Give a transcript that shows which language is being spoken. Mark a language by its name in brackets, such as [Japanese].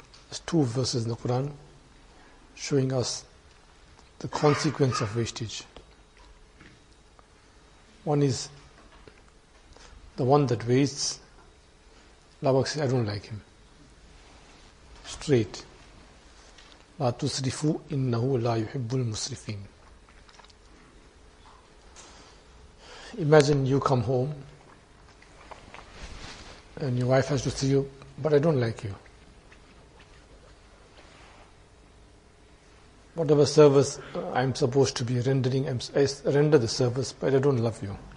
[English] There's two verses in the Quran showing us the consequence of wastage. One is the one that wastes, Allah says, I don't like him. Straight. [Arabic] لا تسرفوا إنه لا يحب المسرفين. [English] Imagine you come home and your wife has to see you, but I don't like you. Whatever service I'm supposed to be rendering, I render the service, but I don't love you.